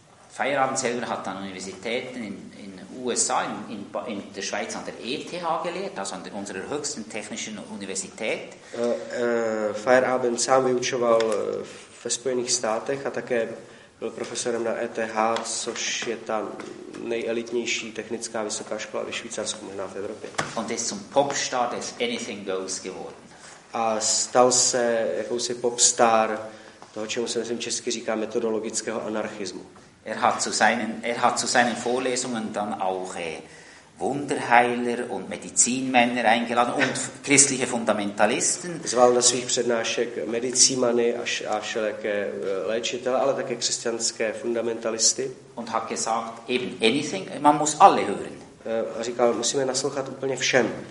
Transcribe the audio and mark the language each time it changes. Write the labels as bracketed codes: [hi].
[de] Feyerabend selber hat an Universitäten in USA, in der Schweiz an der ETH gelehrt, also an unserer höchsten technischen Universität. [cs] Feyerabend sám vyučoval ve Spojených státech a také byl profesorem na ETH, což je ta nejelitnější technická vysoká škola ve Švýcarsku, možná v Evropě. [de] Und ist zum Popstar des Anything Goes geworden. [cs] A stal se jakousi popstar toho, čemu se myslím česky říká metodologického anarchismu. [de] Er hat zu seinen Vorlesungen dann auch Wunderheiler und Medizinmänner eingeladen und christliche Fundamentalisten. [cs] Zval na svých přednášek medicímany a všelijaké léčitele, ale také křesťanské fundamentalisty. [de] Und hat gesagt, eben anything, man muss alle hören. [cs] Říkal, musíme naslouchat úplně všem.